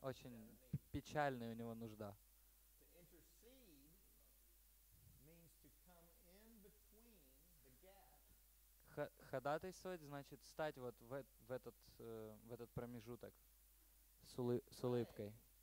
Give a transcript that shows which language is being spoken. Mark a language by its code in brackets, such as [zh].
[ru] Очень печальная у него нужда. [en] To intercede means to come in between the gap. [ru] ходатайствовать, значит, стать вот в этот промежуток с улыбкой.